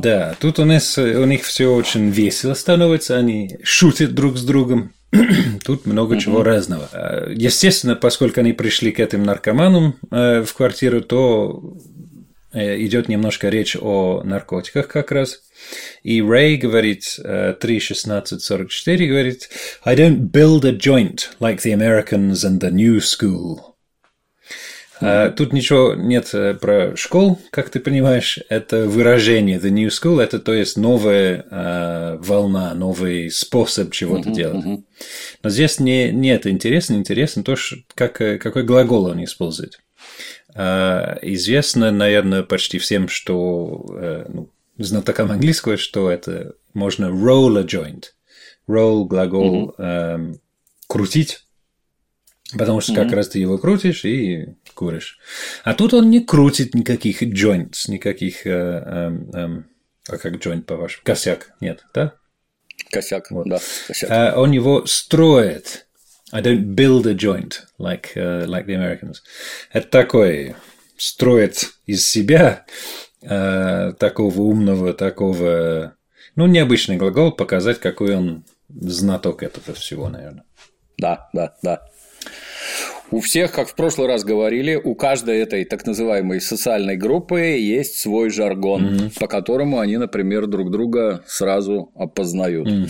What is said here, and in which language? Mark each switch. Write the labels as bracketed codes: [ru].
[ru] Да, тут у них все очень весело становится, они шутят друг с другом. Тут много чего разного. Естественно, поскольку они пришли к этим наркоманам в квартиру, то идет немножко речь о наркотиках как раз. И Рэй говорит, 3.16.44, говорит, [en] «I don't build a joint like the Americans and the new school». [ru] Тут ничего нет про школ, как ты понимаешь, это выражение [en] «the new school», [ru] это то есть новая волна, новый способ чего-то делать. Но здесь не это интересно то, какой глагол он использует. Известно, наверное, почти всем, что знатокам английского, что это можно [en] «roll a joint», [ru] «roll» – глагол «крутить». Потому что как раз ты его крутишь и куришь. А тут он не крутит никаких joints, никаких... А как joint, по-вашему? Косяк. Нет, да? Косяк, вот. Да. Косяк. Он его строит. [en] I don't build a joint like the Americans. [ru] Это такой строит из себя такого умного, такого... Ну, необычный глагол, показать, какой он знаток этого всего, наверное. Да. У всех, как в прошлый раз говорили, у каждой этой так называемой социальной группы есть свой жаргон, по которому они, например, друг друга сразу опознают.